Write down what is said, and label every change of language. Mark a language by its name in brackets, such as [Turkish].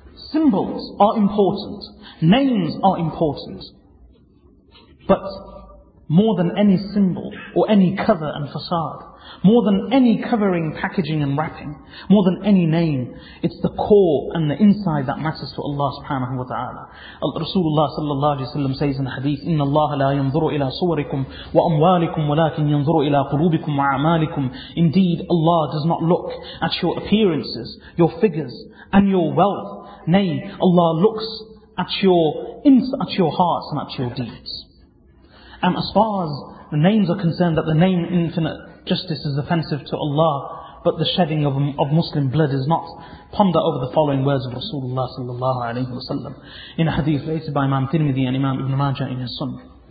[English] Symbols are important, names are important, but more than any symbol or any cover and facade, more than any covering, packaging and wrapping, more than any name, it's the core and the inside that matters to Allah subhanahu wa ta'ala. Rasulullah sallallahu alayhi wa sallam says in the hadith, [Arabic] إِنَّ اللَّهَ لَا يَنْظُرُ إِلَىٰ صُوَرِكُمْ وَأَمْوَالِكُمْ وَلَكِنْ يَنْظُرُ إِلَىٰ قُلُوبِكُمْ وَعَمَالِكُمْ. [English] Indeed, Allah does not look at your appearances, your figures and your wealth. Nay, Allah looks at your hearts and at your deeds. And as far as the names are concerned, that the name infinite justice is offensive to Allah, but the shedding of Muslim blood is not, ponder over the following words of Rasulullah sallallahu alayhi wa sallam in a hadith related by Imam Tirmidhi and Imam Ibn Majah in his Sunnah.